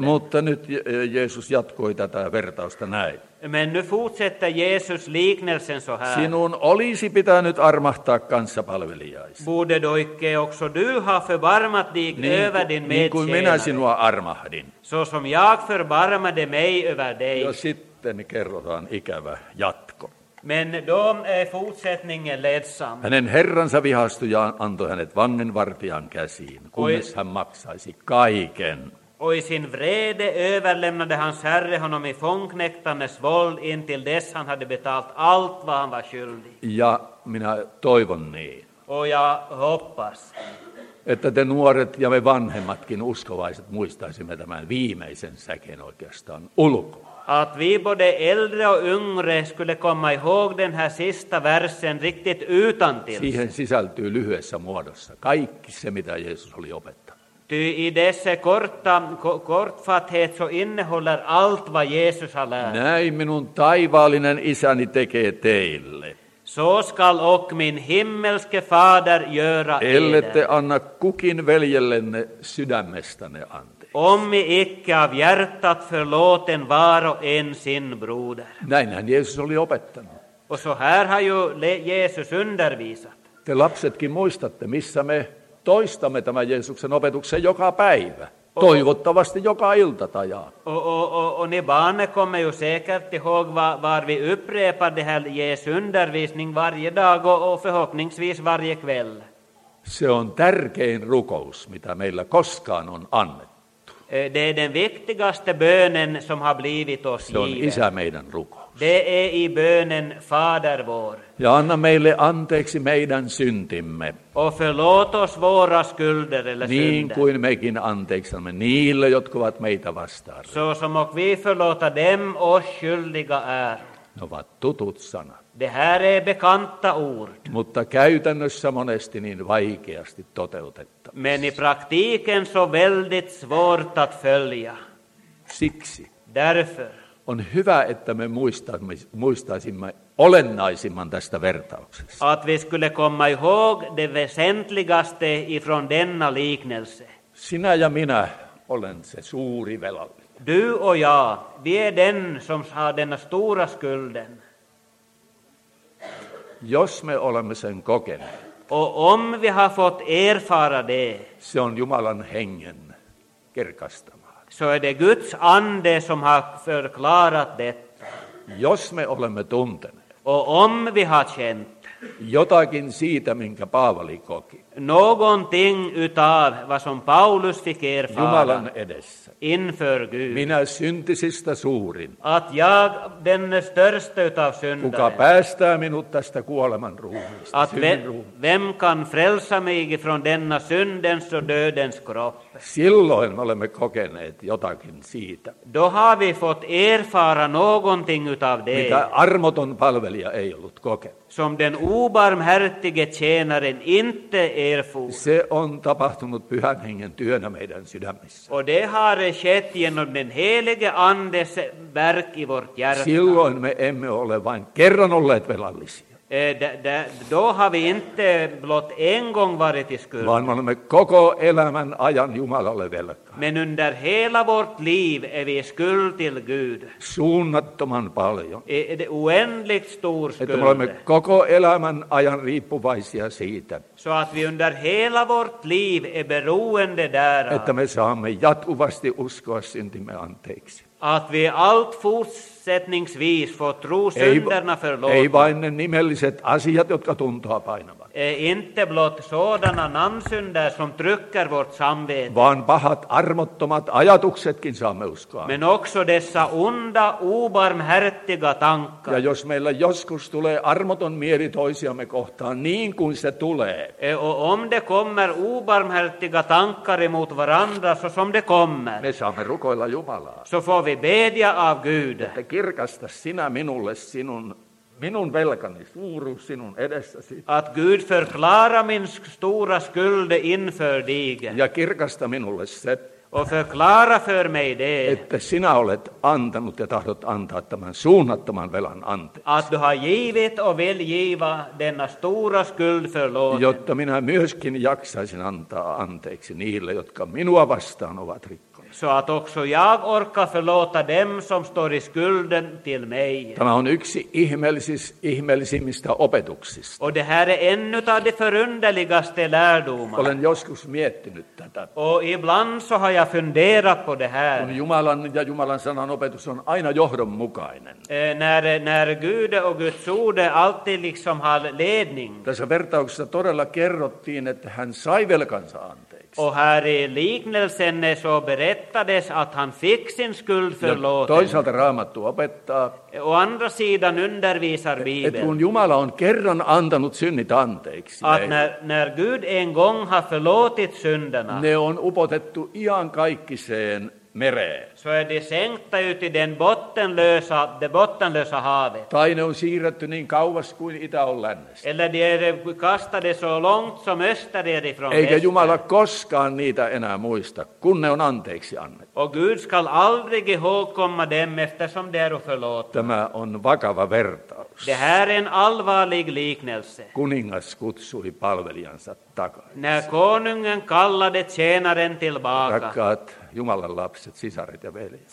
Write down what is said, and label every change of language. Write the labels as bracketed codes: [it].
[fi] Mutta nyt Jeesus jatkoi tätä vertausta näin. [sv] Men nu fortsätter Jesus liknelsen så här. [fi] Sinun olisi pitänyt armahtaa kanssapalvelijaisi. [sv] Borde du icke också du ha förbarmat dig över din medtjänare. [fi] Niin kuin minä sinua armahdin. [sv] Så som jag förbarmade mig över dig. [fi] Ja sitten kerrotaan ikävä jatko. [sv] Men då fortsättningen ledsam. [fi] Hänen herransa vihastui ja antoi hänet vanginvartijan käsiin, kunnes hän maksaisi kaiken. [sv] Och i sin vrede överlämnade hans herre honom i fångknektarnas våld intill dess han hade betalt allt vad han var skyldig. [fi] Ja minä toivon niin. [sv] Och jag hoppas. [fi] Että te nuoret ja me vanhemmatkin uskovaiset muistaisimme tämän viimeisen säkeen oikeastaan ulkoa. [sv] Att vi både äldre och yngre skulle komma ihåg den här sista versen riktigt utantill. [fi] Siihen sisältyy lyhyessä muodossa kaikki se mitä Jeesus oli opettanut. [sv] Ty i dessa kortfatthet så innehåller allt vad Jesus har lärt. [fi] Näin minun taivaallinen isäni tekee teille. [sv] Så skall och min himmelske fader göra eden. [fi] Ellette anna kukin veljellenne sydämestänne anteeksi. [sv] Ommi icke av hjärtat förlåten var och en sin broder. [fi] Näinhän Jeesus oli opettanut. [sv] Och så här har ju Jesus undervisat. [fi] te lapsetkin muistatte, missä me toistamme tämän Jeesuksen opetuksen joka päivä. Toivottavasti joka ilta tajaa. [sv] Och ni barn kommer ju säkert ihåg var vi upprepar det här Jesu undervisning varje dag och förhoppningsvis varje kväll. [fi] Se on tärkein rukous, mitä meillä koskaan on annettu. [sv] Det är den viktigaste bönen som har blivit oss given. [fi] Se on isä meidän rukous. [sv] Det är i bönen Fader vår. [fi] Ja anna meille anteeksi meidän syntimme. [sv] Och förlåt oss våra skulder eller synder. [fi] Niin kuin mekin anteeksamme niille, jotka ovat meitä vastaan. [sv] Så som och vi förlåta dem oss skyldiga är. [fi] Ne ovat tutut sanat. [sv] Det här är bekanta ord. [fi] Mutta käytännössä monesti niin vaikeasti toteutettavissa. [sv] Men i praktiken så väldigt svårt att följa. [fi] Siksi. [sv] Därför. [fi] On hyvä, että me muistaisimme olennaisimman tästä vertauksesta. [sv] Att vi skulle komma ihåg det väsentligaste ifrån denna liknelse. [fi] Sinä ja minä olen se suuri velallinen. [sv] Du och jag, vi är den som har denna stora skulden. [fi] Jos me olemme sen kokeneet. [sv] Och om vi har fått erfara det. [fi] Se on Jumalan hengen kirkastamaa. [sv] Så är det Guds ande som har förklarat detta. [fi] Jos me olemme tunteneet. [sv] Och om vi har känt. [fi] Jotakin siitä, minkä Paavali koki. [sv] Någonting utav vad som Paulus fick erfara. [fi] Jumalan edessä. [sv] Inför Gud. [fi] Minä syntisistä suurin. [sv] Att jag den största utav syndare. [fi] Kuka päästää minut tästä kuoleman ruumista. [sv] Att vem kan frälsa mig från denna syndens och dödens kropp. [fi] Silloin me olemme kokeneet jotakin siitä. [sv] Då har vi fått erfara någonting utav det. [fi] Mitä armoton palvelija ei ollut kokenut. [sv] Som den obarmhärtige tjänaren inte erfor. [fi] Se on tapahtunut pyhän hengen työnä meidän sydämissä. [sv] Och det har skett genom den helige andes verk i vårt hjärta. [fi] Silloin me emme ole vain kerran olleet velallisia. [sv] Då har vi inte blott en gång varit i skuld. [fi] Vaan me olemme koko elämän ajan Jumalalle velkaa. [sv] Men under hela vårt liv är vi skuld till Gud. [fi] Suunnattoman paljon. [sv] Oändligt stor skuld. [fi] Että me olemme koko elämän ajan riippuvaisia siitä. [sv] Så att vi under hela vårt liv är beroende därav. [fi] Että me saamme jatkuvasti uskoa syntimme anteeksi. [sv] Att vi allt fortsättningsvis får tro synderna förlåta. [fi] Ei vain ne nimelliset asiat, jotka tuntuvat painavat. [sv] Inte blott sådana namnsynder som trycker vårt samvete. [fi] Vaan pahat armottomat ajatuksetkin saamme uskoa. [sv] Men också dessa onda, obarmhärtiga tankar. [fi] Ja jos meillä joskus tulee armoton mieli toisiamme kohtaan niin kuin se tulee. [sv] Om det kommer obarmhärtiga tankar emot varandra så som det kommer. [fi] Me saamme rukoilla Jumalaa. [sv] Så får vi bedja av Gud. [fi] Että kirkasta sinä minulle sinun minun velkani suuruus sinun edessäsi. [sv] Att Gud förklara min stora skuld inför dig. [fi] Ja kirkasta minulle se. [sv] Och förklara för mig det. [fi] Että sinä olet antanut ja tahdot antaa tämän suunnattoman velan anteeksi. [sv] Att du har givit och vill giva denna stora skuld förlåten. [fi] Jotta minä myöskin jaksaisin antaa anteeksi niille, jotka minua vastaan ovat rikkoneet. [sv] Så att också jag orkar förlåta dem som står i skulden till mig. [fi] Tämä on yksi ihmeellisimmistä opetuksista. [sv] Och det här är ännu av de förunderligaste lärdomar. [fi] Olen joskus miettinyt tätä. [sv] Och ibland så har jag funderat på det här. [fi] Kun Jumalan ja Jumalan sanan opetus on aina johdonmukainen. [sv] När Gud och Guds ord alltid liksom har ledning. [fi] Tässä vertauksessa todella kerrottiin, että hän sai velkansa anteeksi. [sv] Och här i liknelsen så berättades att han fick sin skuld förlåten. [fi] Toisaalta Raamattu opettaa. [sv] Och andra sidan undervisar Bibeln. [fi] Että kun Jumala on kerran antanut synnit anteeksi. [sv] Att när Gud en gång har förlåtit synderna. [fi] Ne on upotettu iankaikkiseen mereen. [sv] Så är de sänkta ut i det bottenlösa havet. [fi] Tai ne on siirretty niin kauas kuin itä on lännessä. [sv] Eller de är kastade så långt som öster är ifrån väster. [fi] Eikä Jumala koskaan niitä enää muista, kun ne on anteeksi annettu. [sv] Och Gud skall aldrig ihågkomma dem eftersom de är förlåtna. [fi] Tämä on vakava vertaus. [sv] Det här är en allvarlig liknelse. [fi] Kuningas kutsui palvelijansa takaisin. [sv] När konungen kallade tjänaren tillbaka. [fi] Rakkaat Jumalan lapset, sisaret ja veljet.